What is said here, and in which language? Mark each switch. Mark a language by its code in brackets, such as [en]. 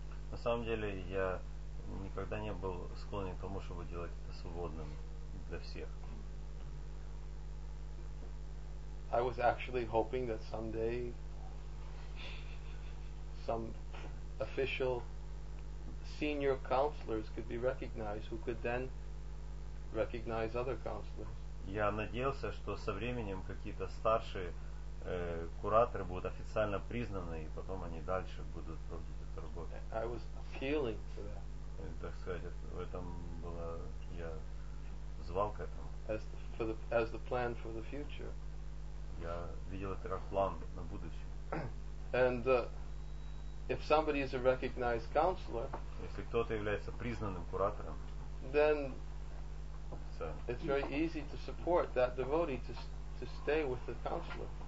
[ru] На самом деле, я никогда не был склонен к тому, чтобы делать это свободным для всех. [en] I was actually hoping that someday some official senior counselors could be recognized, who could then recognize other counselors. [ru] Я надеялся, что со временем какие-то старшие кураторы будут официально признаны, и потом они дальше будут проводить эту работу. [en] I was appealing for that. [ru] Так сказать, в этом было я звал к этому. [en] As the plan for the future. [ru] Я видел это как план на будущее. [en] And if somebody is a recognized counselor, [ru] если кто-то является признанным куратором, [en] then it's very easy to support that devotee to stay with the counselor.